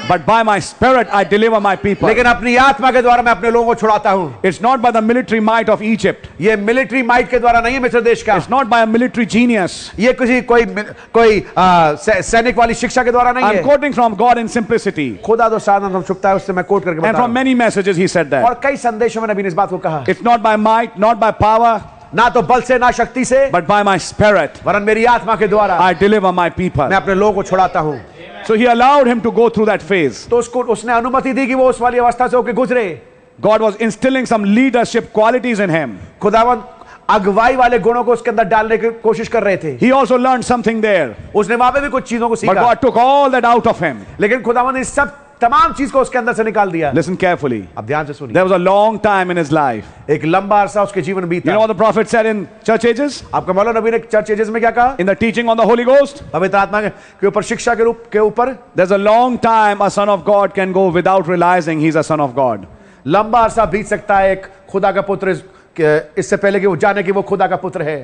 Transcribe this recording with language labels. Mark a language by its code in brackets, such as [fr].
[en] But by my spirit I deliver my people. [hi] लेकिन अपनी आत्मा के द्वारा मैं अपने लोगों को छुड़ाता हूँ. [en] It's not by the military might of Egypt. [hi] ये [en] military might [hi] के द्वारा नहीं है मिस्र देश का. [en] It's not by a military genius. [hi] ये किसी कोई सैनिक वाली शिक्षा के द्वारा नहीं है. [en] I'm quoting from God in simplicity. [hi] खुदा तो साधारण हम छुपता है उससे मैं quote करके बता रहा [en] हूँ. And from many messages he said that. [hi] और कई संदेशों में नबी ने इस बात को कहा. [en] It's not by might, not by power. [hi] ना तो बल से ना शक्ति से. [en] But by my spirit. [hi] वरन मेरी आत्मा के द्वारा. [en] I deliver my people. [hi] मैं अपने लोगों को छुड़ाता हूँ. [en] So he allowed him to go through that phase. [hi] तो उसको उसने अनुमति दी कि वो उस वाली अवस्था से होकर गुजरे. [en] God was instilling some leadership qualities in him. [hi] खुदावंद अगुवाई वाले गुणों को उसके अंदर डालने की कोशिश कर रहे थे. [en] He also learned something there. [hi] उसने वहां पे भी कुछ चीजों को सीखा. [en] But God took all that out of him. [hi] लेकिन खुदावंद ने सब तमाम चीज को उसके अंदर से निकाल दिया. [en] Listen carefully. [hi] अब ध्यान से सुनिए. [en] There was a long time in his life. [hi] एक लंबा अरसा उसके जीवन बीता. [en] You know what the prophet said in church ages? [hi] आपको मालूम नबी ने चर्च एजेस में क्या कहा? [en] In the teaching on the Holy Ghost. [hi] पवित्र आत्मा के ऊपर शिक्षा के रूप के ऊपर. [en] There's a long time a son of God can go without realizing he's a son of God. [hi] लंबा अरसा बीत सकता है एक खुदा का पुत्र इससे पहले कि वो जाने कि वो खुदा का पुत्र है.